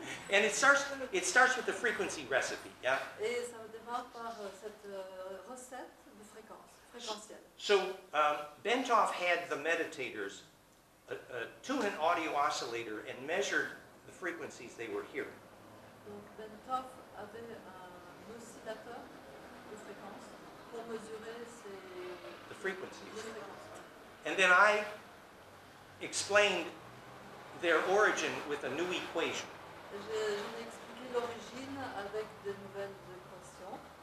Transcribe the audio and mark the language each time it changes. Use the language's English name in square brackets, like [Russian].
[English] And it starts with the frequency recipe, yeah? [French] Et ça démarre par cette recette de fréquence. [English] So, Benthoff had the meditators tune an audio oscillator and measured the frequencies they were hearing. [French] Donc, Benthoff avait un oscillateur de fréquence pour mesurer [English] the frequencies. And then I explained their origin with a new equation. [French] J'ai expliqué l'origine avec des nouvelles équations.